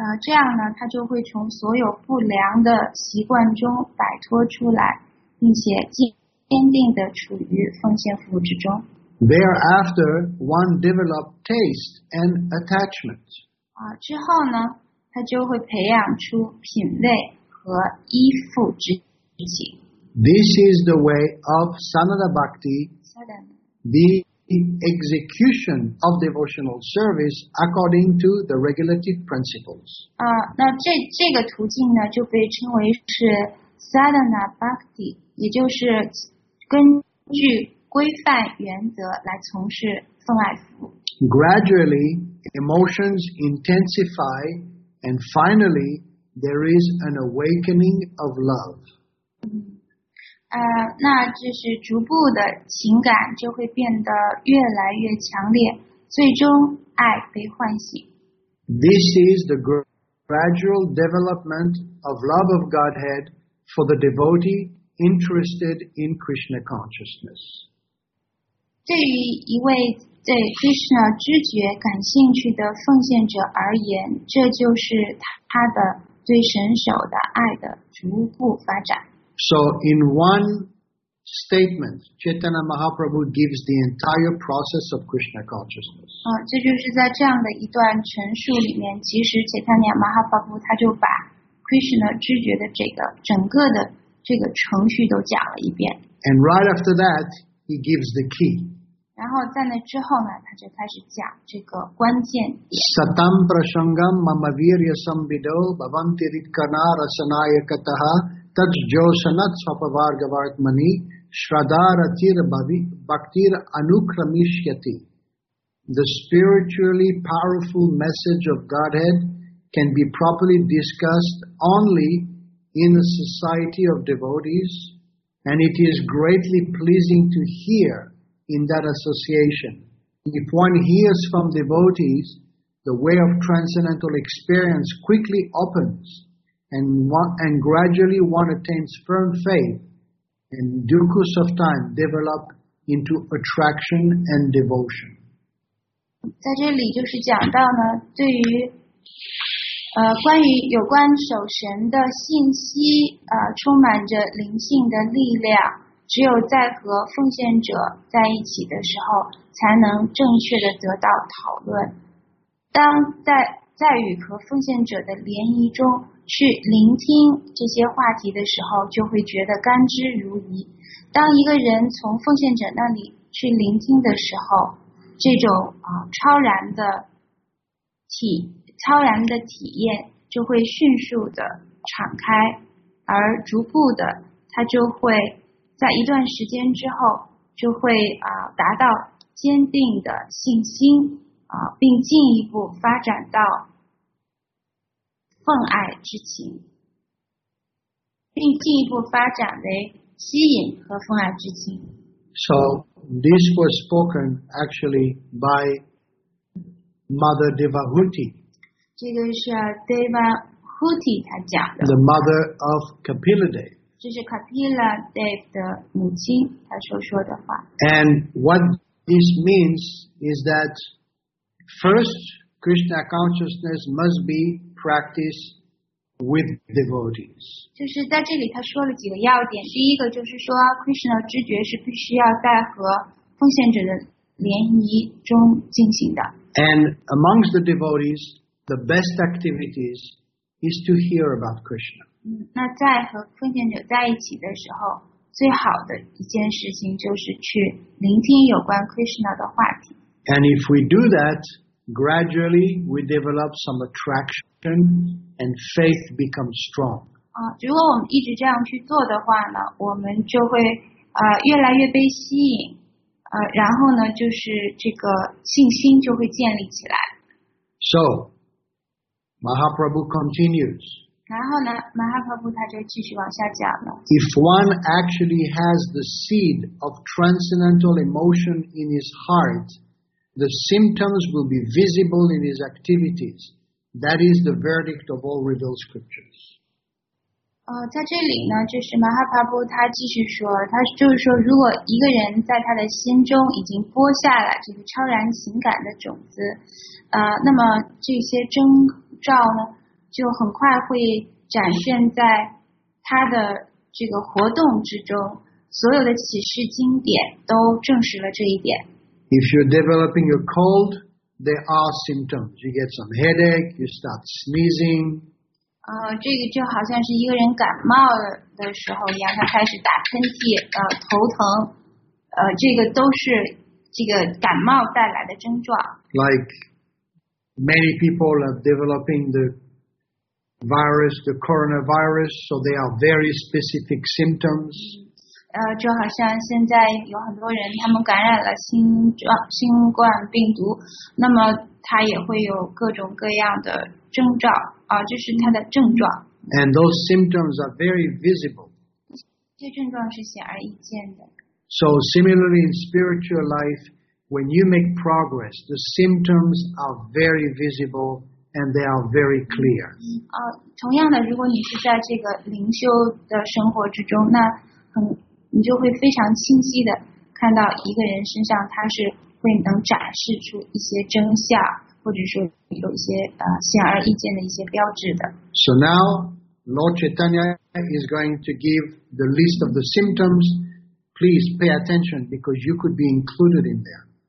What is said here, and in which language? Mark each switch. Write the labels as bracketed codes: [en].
[zh] 这样呢，他就会从所有不良的习惯中摆脱出来，并且坚定地处于奉献服务之中。 [en] Thereafter, one develops taste and attachment. [zh] 之后呢，他就会培养出品味和依附之情。 [en] This is the way of Sanada Bhakti, the execution of devotional service according to the regulative principles. [zh] 那这个途径呢就被称为是 Sanada Bhakti, 也就是根据规范原则来从事奉爱服务。 [en] Gradually, emotions intensify and finally, there is an awakening of love. [zh] 那就是逐步的情感就会变得越来越强烈，最终爱被唤醒。 [en] This is the gradual development of love of Godhead for the devotee interested in Krishna consciousness. [zh] 对于一位对 Krishna 知觉感兴趣的奉献者而言，这就是他的对神手的爱的逐步发展。 [en] So in one statement, Chaitanya Mahaprabhu gives the entire process of Krishna consciousness. [zh] 这就是在这样的一段陈述里面，其实 Chaitanya Mahaprabhu 他就把 Krishna 知觉的这个整个的这个程序都讲了一遍。 [en] And right after that, he gives the key. [zh] 然后在那之后呢，他就开始讲这个关键点。 [sa] Satam prasangam mama virya sambido bhavanti ritkana rasanaya kataha. Taj Josanat Sapavargavartmani Shradaratir Bhaktir Anukramishyati. [en] The spiritually powerful message of Godhead can be properly discussed only in a society of devotees, and it is greatly pleasing to hear in that association. If one hears from devotees, the way of transcendental experience quickly opens. And gradually one attains firm faith and in due course of time develop into attraction and devotion. [zh] 在这里就是讲到呢对于关于有关守神的信息充满着灵性的力量只有在和奉献者在一起的时候才能正确的得到讨论。当在与和奉献者的联谊中去聆听这些话题的时候就会觉得甘之如饴。当一个人从奉献者那里去聆听的时候这种超然的体验就会迅速的敞开而逐步的他就会在一段时间之后就会达到坚定的信心并进一步发展到奉爱之情并进一步发展为吸引和奉爱之情 [en] So this was spoken actually by Mother Devahuti [zh] 这个是 Devahuti 他讲的 [en] The mother of Kapiladev [zh] 这是 Kapiladev 的母亲他所说的话 [en] And what this means is that first Krishna consciousness must be practice with devotees. [zh] 就是在这里他说了几个要点，第一个就是说 Krishna 知觉是必须要在和奉献者的联谊中进行的。 [en] And amongst the devotees, the best activities is to hear about Krishna. [zh] 那在和奉献者在一起的时候，最好的一件事情就是去聆听有关 Krishna 的话题。 [en] And if we do that, gradually we develop some attraction and faith becomes strong. [zh] 如果我们一直这样去做的话呢，我们就会越来越被吸引。然后呢，就是这个信心就会建立起来。 [en] So, Mahaprabhu continues. [zh] 然后呢 ，Mahaprabhu 他就继续往下讲了。 [en] If one actually has the seed of transcendental emotion in his heart, the symptoms will be visible in his activities. That is the verdict of all revealed scriptures. [zh] 在这里呢，就是马哈帕布他继续说，他就是说，如果一个人在他的心中已经播下了这个超然情感的种子，那么这些征兆呢，就很快会展现在他的这个活动之中。所有的启示经典都证实了这一点。 [en] If you're developing a cold, there are symptoms. You get some headache. You start sneezing. [zh] 这个就好像是一个人感冒的时候一样，他开始打喷嚏，头疼，这个都是这个感冒带来的症状。 [en] Like many people are developing the virus, the coronavirus, so they are very specific symptoms. [zh] 就好像现在有很多人他们感染了新冠病毒，那么他也会有各种各样的症状。就是他的症状。 [en] And those symptoms are very visible. [zh] 这症状是显而易见的。 [en] So similarly in spiritual life, when you make progress, the symptoms are very visible and they are very clear. [zh] 同样的，如果你是在这个灵修的生活之中，那你就会非常清晰的看到一个人身上他是会能展示出一些征象。或者说有一些显而易见的一些标志的。 [en] So now, Lord Chaitanya is going to give the list of the symptoms. Please pay attention because you could be included in there.